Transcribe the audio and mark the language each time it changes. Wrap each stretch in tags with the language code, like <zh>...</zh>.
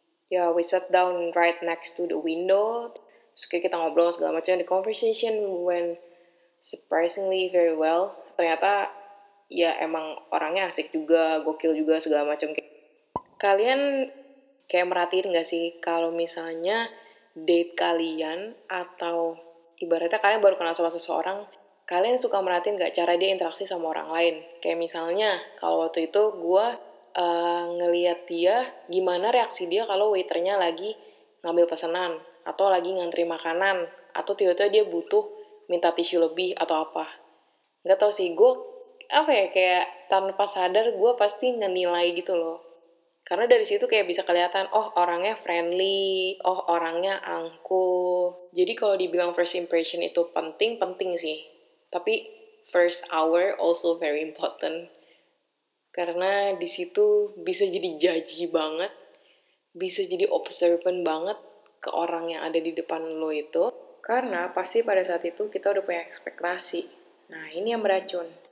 <en>Ya, we sat down right next to the window.</en> <id>Terus kita ngobrol segala macam.</id> <en>The conversation went surprisingly very well.</en> <id>Ternyata ya emang orangnya asik juga, gokil juga segala macam. Kalian kayak merhatiin gak sih kalau misalnya date kalian atau ibaratnya kalian baru kenal sama seseorang, kalian suka merhatiin gak cara dia interaksi sama orang lain? Kayak misalnya kalau waktu itu gue ngelihat dia gimana reaksi dia kalau waiternya lagi ngambil pesanan atau lagi ngantri makanan atau tiba-tiba dia butuh minta tisu lebih atau apa. Gak tau sih, gue apa ya, kayak tanpa sadar gue pasti ngenilai gitu loh. Karena dari situ kayak bisa kelihatan, oh orangnya friendly, oh orangnya angkuh. Jadi kalau dibilang first impression itu penting, penting sih.</id> <en>Tapi first hour also very important.</en> <id>Karena di situ bisa jadi judgy banget, bisa jadi observant banget ke orang yang ada di depan lo itu. Karena pasti pada saat itu kita udah punya ekspektasi. Nah, ini yang beracun.</id>